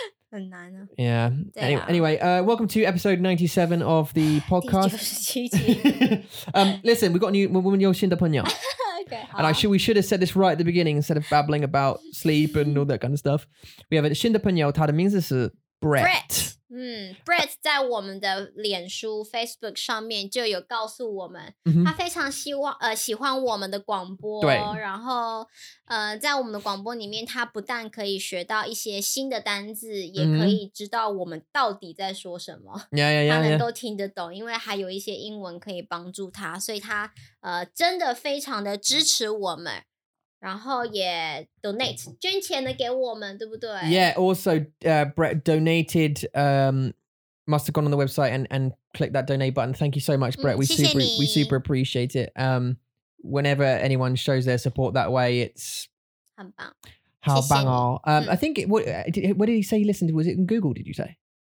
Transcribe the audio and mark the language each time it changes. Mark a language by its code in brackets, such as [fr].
[zh] 很难啊 [en] Yeah. Anyway, welcome to episode 97 of the podcast. [zh] 第97集 [en] Listen, we've got a new [zh] 我们有新的朋友 [en] Okay, and we should have said this right at the beginning instead of babbling about sleep and all that kind of stuff. We have a [zh] 新的朋友 他的名字是 Brett Brett 在我们的脸书 Facebook 上面就有告诉我们 他非常喜欢我们的广播 然后在我们的广播里面 他不但可以学到一些新的单字 也可以知道我们到底在说什么 他能够听得懂 因为还有一些英文可以帮助他 所以他真的非常的支持我们 然后也donate捐钱的给我们，对不对？ [en] Yeah, also Brett donated, must have gone on the website and clicked that donate button. Thank you so much, Brett. We super appreciate it. Whenever anyone shows their support that way, it's [zh] 很棒，好棒哦。 [en] I think what did he say he listened to? Was it in Google, did you say?